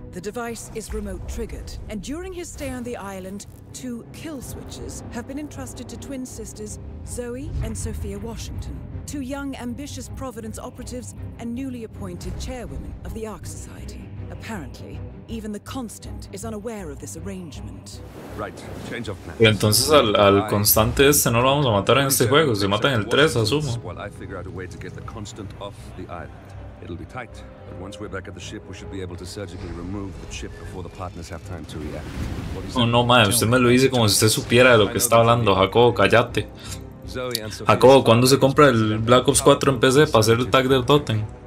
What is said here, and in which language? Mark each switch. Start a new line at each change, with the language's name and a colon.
English: The device is remote triggered, and during his stay on the island, two kill switches have been entrusted to twin sisters Zoe and Sophia Washington, two young, ambitious Providence operatives and newly appointed chairwomen of the Ark Society. Apparently, even the constant is unaware of this arrangement. Right, change of plan.
Spanish: Y entonces al constante este no lo vamos a matar en este juego, se mata en el 3, asumo.
English: Well, I figure out a way to get the constant off the island. It'll be tight. But once we're back at the ship, we should be able to surgically remove the chip before the partners have time to react.
Spanish: Oh, no, madre, usted me lo dice como si usted supiera de lo que está hablando. Jacobo, cállate. Jacobo, ¿cuándo se compra el Black Ops 4 en PC para hacer el tag del Totem?